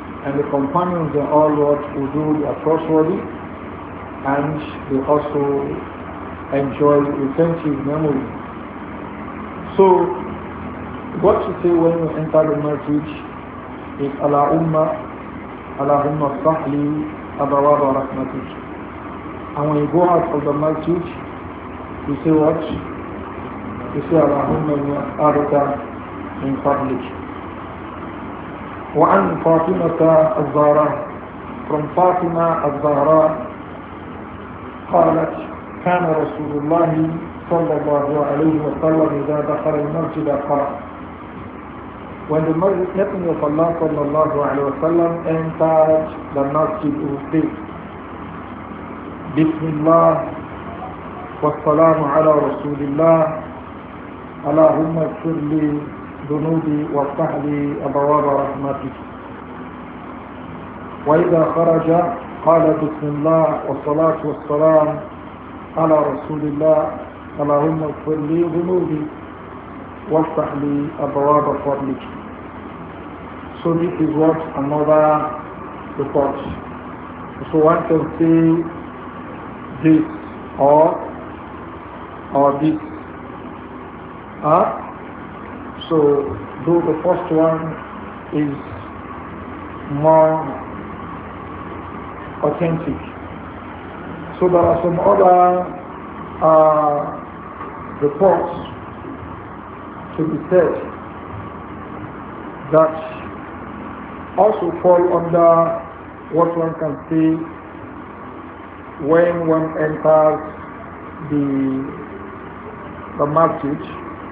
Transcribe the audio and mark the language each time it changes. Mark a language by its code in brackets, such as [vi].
[en] And the companions are all what? Ujud are trustworthy. And they also enjoy authentic memory. So, what to say when you enter the masjid is Ala Umma. [ar] اللهم افتح لي أبواب رحمتك. [en] And when you go out of the masjid, you say what? You say [ar] اللهم إني أسألك من فضلك. وعن فاطمة الزهراء, [en] from [ar] فاطمة الزهراء قالت كان رسول الله صلى الله عليه وسلم إذا دخل المسجد قال. [en] When the Messenger of Allah [ar] صلى الله عليه وسلم [en] entered the masjid, he would say, [ar] بسم الله والسلام على رسول الله اللهم اغفر لي ذنوبي وافتح لي ابواب رحمتك. واذا خرج قال بسم الله والصلاه والسلام على رسول الله اللهم اغفر لي ذنوبي وافتح لي ابواب فضلك. [en] So this is what another report. So one can say this or this. So though the first one is more authentic, so there are some other reports to be said that also fall under what one can see when one enters the masjid.